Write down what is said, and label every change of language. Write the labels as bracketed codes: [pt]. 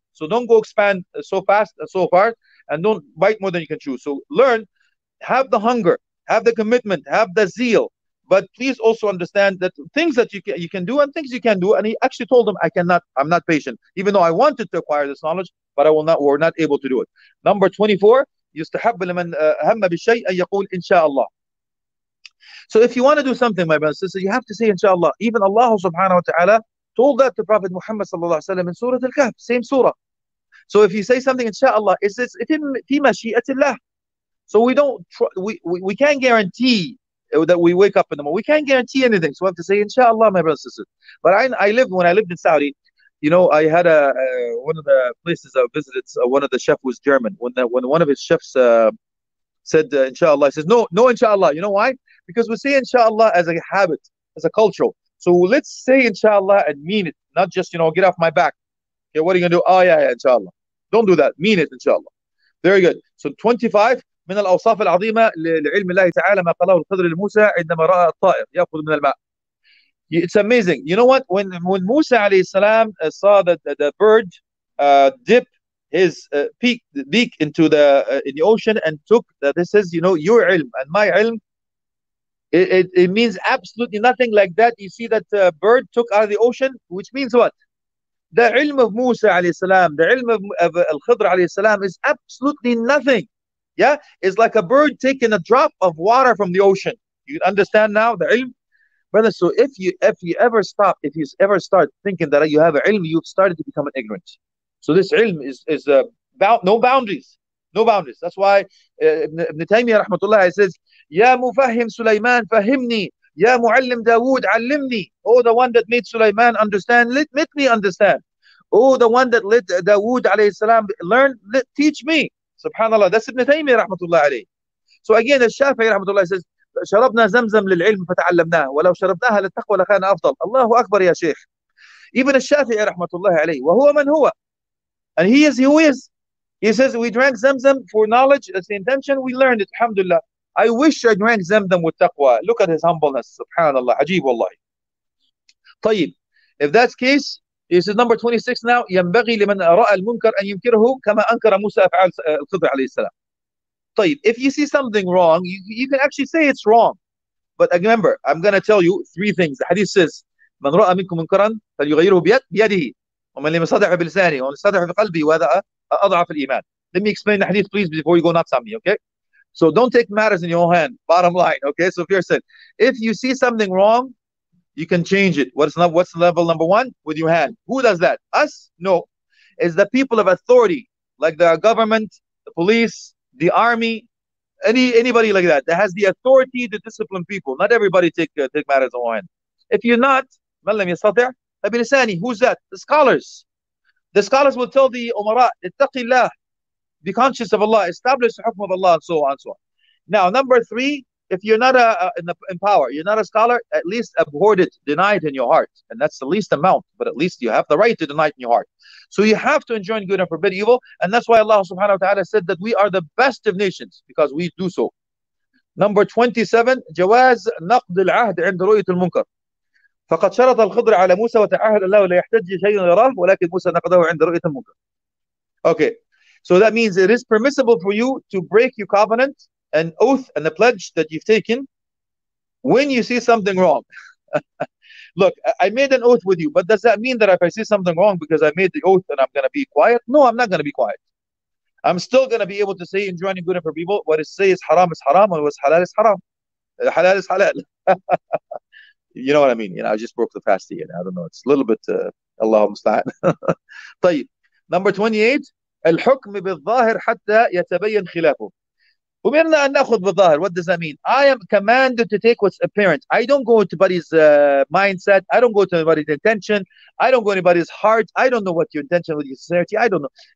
[en] So don't go expand so fast and so far. And don't bite more than you can chew. So learn. Have the hunger. Have the commitment. Have the zeal. But please also understand that things that you can do and things you can do. And he actually told him, I cannot. I'm not patient. Even though I wanted to acquire this knowledge. But I will not, we're not able to do it. Number 24, [ar] يستحب لمن هم بشيء أن يقول إن شاء الله. [en] So if you want to do something, my brothers and sisters, you have to say inshallah. Even Allah subhanahu wa ta'ala told that to Prophet Muhammad sallallahu alayhi wa sallam in Surah Al-Kahf, same surah. So if you say something inshallah, it's in mashi'atillah. So we can't guarantee that we wake up in the morning. We can't guarantee anything. So we have to say inshallah, my brothers and sisters. But when I lived in Saudi, you know, I had one of the places I visited, one of the chefs was German. When one of his chefs said, inshallah, he says, no, inshallah. You know why? Because we say inshallah as a habit, as a cultural. So let's say inshallah and mean it, not just, you know, get off my back. Okay, what are you going to do? Oh, yeah, inshallah. Don't do that. Mean it, inshallah. Very good. So 25, [ar] من الأوصاف العظيمة لعلم الله تعالى ما قاله الخضر لموسى عندما رأى الطائر يأخذ من الماء. [en] It's amazing. You know what? When Musa alayhi salam saw that the bird dip his beak into the in the ocean and took that, this is, you know, your ilm and my ilm, It means absolutely nothing like that. You see that bird took out of the ocean, which means what? The ilm of Musa alayhi salam, the ilm of al-Khidr alayhi salam is absolutely nothing. Yeah, it's like a bird taking a drop of water from the ocean. You understand now the ilm? Brother, so if you ever start thinking that you have ilm, you've started to become an ignorant. So this ilm is no boundaries. No boundaries. That's why Ibn Taymiyyah rahmatullah says, [ar] Ya Mufahim Sulaiman Fahimni, Ya Muallim Dawood Allimni. [en] Oh, the one that made Sulaiman understand, let me understand. Oh, the one that let Dawood alayhi salam learn, teach me. SubhanAllah, that's Ibn Taymiyyah rahmatullah alayhi. So again, the Shafi'i rahmatullah says, [ar] شربنا زمزم للعلم فتعلمناه ولو شربناها للتقوى لكان أفضل. الله أكبر يا شيخ. [en] Ibn [ar] الشافعي رحمة الله عليه وهو من هو. [en] And he is who is. He says we drank Zamzam for knowledge. That's the intention. We learned it. Alhamdulillah. I wish I drank Zamzam with taqwa. Look at his humbleness. SubhanAllah. [ar] عجيب والله. طيب. [en] If that's case, he says number 26 now. [ar] ينبغي لمن رأى المنكر أن ينكره كما أنكر موسى أفعال الخضر عليه السلام. [en] If you see something wrong, you can actually say it's wrong. But remember, I'm going to tell you three things. The hadith says, [ar] من رأى منكم منكراً فليغيره بيده ومن لم يستطع بلسانه ومن استطع بقلبي وهذا أضعف الإيمان. [en] Let me explain the hadith, please, before you go nuts on me, okay? So don't take matters in your own hand, bottom line, okay? So fear said, if you see something wrong, you can change it. What's level number one? With your hand. Who does that? Us? No. It's the people of authority, like the government, the police, the army, anybody like that, that has the authority to discipline people. Not everybody take matters on hand. If you're not, [ar] مَنْ لَمْ يَسْتَطِعْ فَبِلِسَانِي. [en] Who's that? The scholars. The scholars will tell the umara, [ar] اتَّقِ اللَّهِ. [en] Be conscious of Allah. Establish the hukm of Allah, and so on and so on. Now, number three, if you're not in power, you're not a scholar, at least abhor it, deny it in your heart. And that's the least amount, but at least you have the right to deny it in your heart. So you have to enjoin good and forbid evil. And that's why Allah subhanahu wa ta'ala said that we are the best of nations, because we do so. Number 27, [ar] جواز نقض العهد عند رؤية المنكر. فقد شرط الخضر على موسى وتعهد الله لا يحتج شيء يراه ولكن موسى نقضه عند رؤية المنكر. [en] Okay, so that means it is permissible for you to break your covenant, an oath and a pledge that you've taken when you see something wrong. Look, I made an oath with you, but does that mean that if I see something wrong because I made the oath and I'm going to be quiet? No, I'm not going to be quiet. I'm still going to be able to say enjoining good and for people. What is say is haram is haram, and what is halal is haram. Halal is halal. You know what I mean? You know, I just broke the fast again. I don't know. It's a little bit, Allahu musta'an. [ar] طيب. [en] Number 28, [ar] الحكم بالظاهر حتى يتبين خلافه. [en] What does that mean? I am commanded to take what's apparent. I don't go into anybody's mindset. I don't go to anybody's intention. I don't go to anybody's heart. I don't know what your intention with your sincerity. I don't know.